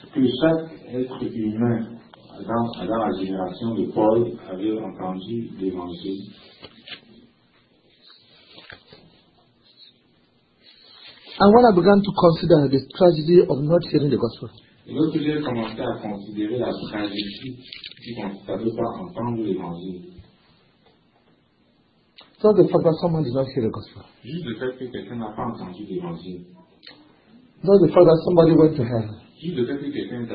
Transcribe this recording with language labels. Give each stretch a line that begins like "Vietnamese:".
French: que chaque être humain dans la génération de Paul avait entendu l'évangile,
English: and when I began to consider the tragedy of not hearing the gospel.
French: Et lorsque j'ai commencé à considérer la tragédie qui consiste à ne pas entendre l'évangile, juste le fait que quelqu'un n'a pas entendu l'évangile, juste le fait que quelqu'un est allé en enfer,